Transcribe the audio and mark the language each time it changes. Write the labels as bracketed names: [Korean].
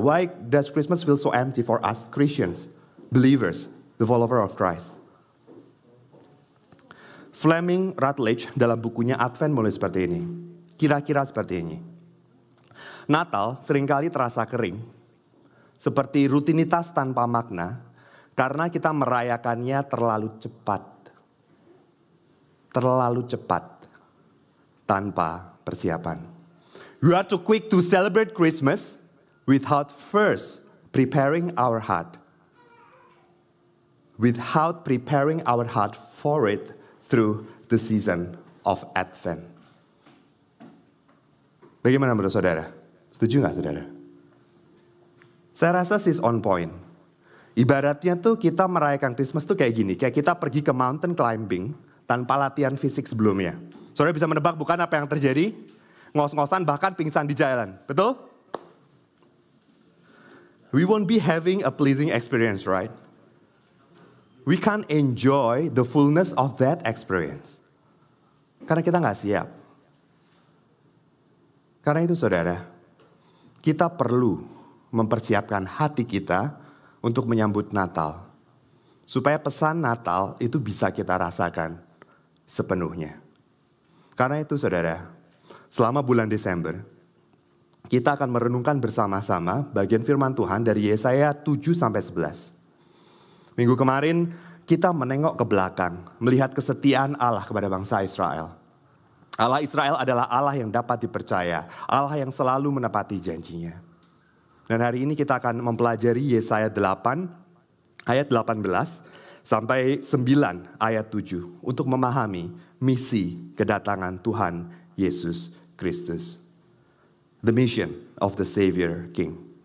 [English] Why does Christmas feel so empty for us Christians, believers, the follower of Christ? [Indonesian] Fleming Rutledge dalam bukunya Advent mulai seperti ini. Kira-kira seperti ini. Natal seringkali terasa kering, seperti rutinitas tanpa makna, karena kita merayakannya terlalu cepat. Terlalu cepat, tanpa persiapan. [English] We are too quick to celebrate Christmas without first preparing our heart. Without preparing our heart for it through the season of Advent. [Indonesian] Bagaimana menurut saudara? Setuju gak saudara? Saya rasa sih [English] on point. [Indonesian] Ibaratnya tuh kita merayakan Christmas tuh kayak gini. Kayak kita pergi ke [English] mountain climbing [Indonesian] tanpa latihan fisik sebelumnya. Saudara bisa menebak bukan apa yang terjadi? Ngos-ngosan bahkan pingsan di jalan. Betul? [English] We won't be having a pleasing experience, right? We can't enjoy the fullness of that experience. [Indonesian] Karena kita gak siap. Karena itu saudara, kita perlu mempersiapkan hati kita untuk menyambut Natal. Supaya pesan Natal itu bisa kita rasakan sepenuhnya. Karena itu saudara, selama bulan Desember, kita akan merenungkan bersama-sama bagian firman Tuhan dari Yesaya 7-11. Minggu kemarin, kita menengok ke belakang, melihat kesetiaan Allah kepada bangsa Israel. Allah Israel adalah Allah yang dapat dipercaya, Allah yang selalu menepati janjinya. Dan hari ini kita akan mempelajari Yesaya 8 ayat 18 sampai 9 ayat 7 untuk memahami misi kedatangan Tuhan Yesus Kristus. [English] The mission of the Savior King.